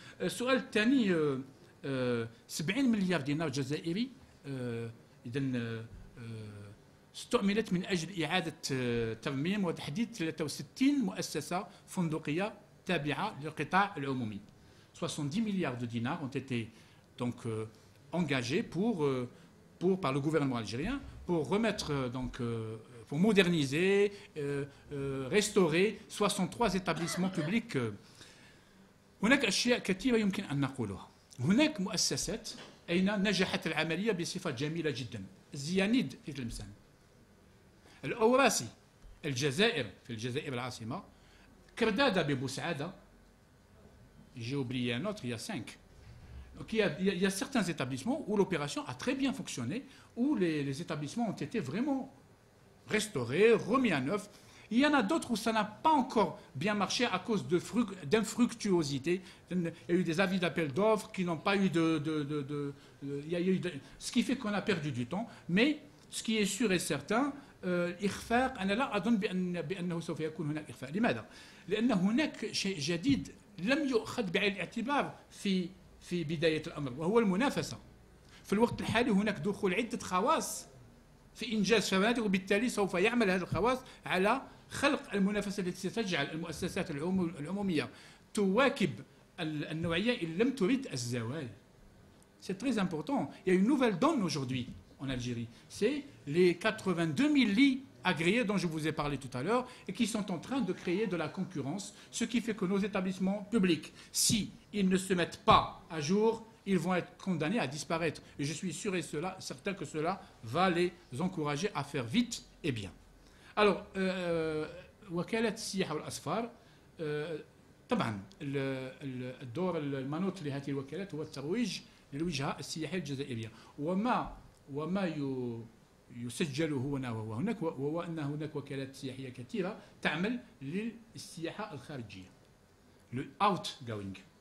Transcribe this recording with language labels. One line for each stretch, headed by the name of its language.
Arabic: السؤال الثاني 70 مليار دينار جزائري اذا استعملت من اجل اعاده ترميم وتحديد 63 مؤسسه فندقيه تابعه للقطاع العمومي.
French: 70 milliards de dinars ont été donc engagés pour par le gouvernement algérien pour remettre donc pour moderniser restaurer 63 établissements publics.
Arabic: هناك اشياء كثيره يمكن ان نقولها. هناك مؤسسات اين نجحت العمليه بصفه جميله جدا. زيانيد في تلمسان. الاوراسي الجزائر في الجزائر العاصمه. كردادة ببوسعاده.
French: J'ai oublié un autre, il y a cinq. Donc il y a certains établissements où l'opération a très bien fonctionné, où les établissements ont été vraiment restaurés, remis à neuf. Il y en a d'autres où ça n'a pas encore bien marché à cause d'infructuosité. Il y a eu des avis d'appel d'offres qui n'ont pas eu ce qui fait qu'on a perdu du temps. Mais ce qui est sûr et certain,
Arabic: إخفاق أنا لا أظن بأنه سوف يكون هناك إخفاق. لماذا؟ لأن هناك شيء جديد لم يؤخذ بعين الاعتبار في بداية الأمر وهو المنافسة. في الوقت الحالي هناك دخول عدة خواص في إنجاز فنادق، وبالتالي سوف يعمل هذا الخواص على خلق المنافسة التي ستجعل المؤسسات العمومية تواكب النوعية إن لم ترد الزوال.
French: C'est très important. Il y a une nouvelle donne aujourd'hui en Algérie. C'est les 82 000 lits agréés dont je vous ai parlé tout à l'heure et qui sont en train de créer de la concurrence, ce qui fait que nos établissements publics, s'ils ne se mettent pas à jour, ils vont être condamnés à disparaître. Et je suis sûr et certain que cela va les encourager à faire vite et bien.
Arabic: Alors, وكالة السياحة والأسفار طبعا الدور المنوط لهذه الوكالة هو الترويج للوجهة السياحية الجزائرية. وما يسجل هنا وهناك وهو أن هناك وكالات سياحية كثيرة تعمل للسياحة الخارجية outgoing.